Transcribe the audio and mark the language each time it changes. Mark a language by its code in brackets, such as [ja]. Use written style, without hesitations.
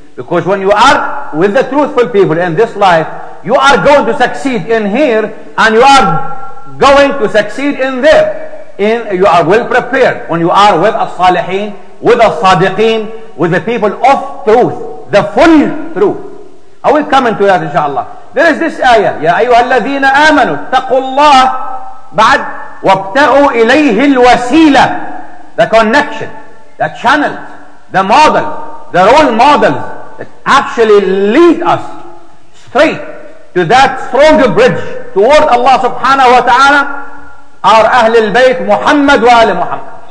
[en] Because when you are with the truthful people in this life, you are going to succeed in here, and you are going to succeed in there. In you are well prepared when you are with الصالحين, with الصادقين, with the people of truth, the full truth. I will come into that, inshallah. There is this ayah: [ar] يا أيها الذين آمنوا اتقوا الله بعد وابتغوا إليه الوسيلة. [en] The connection, the channel, the model, the role models that actually lead us straight to that strong bridge toward Allah subhanahu wa ta'ala are Ahlul Bayt Muhammad wa Ali Muhammad.